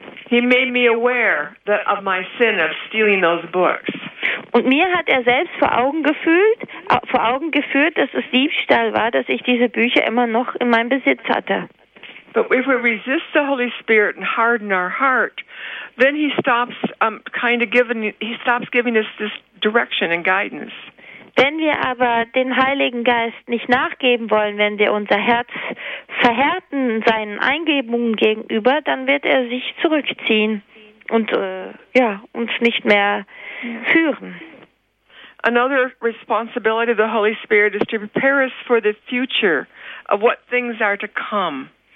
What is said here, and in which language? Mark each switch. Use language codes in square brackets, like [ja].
[en] He made me aware that of my sin of stealing those books. [de] Und mir hat er selbst vor Augen geführt, dass es Diebstahl war, dass ich diese Bücher immer noch in meinem Besitz hatte. [en] But if we resist the Holy Spirit and harden our heart, then he stops giving us this direction and guidance. [de] Wenn wir aber den Heiligen Geist nicht nachgeben wollen, wenn wir unser Herz verhärten seinen Eingebungen gegenüber, dann wird er sich zurückziehen und uns nicht mehr führen. [en] Another responsibility of the Holy Spirit is to prepare us for the future of what things are to come.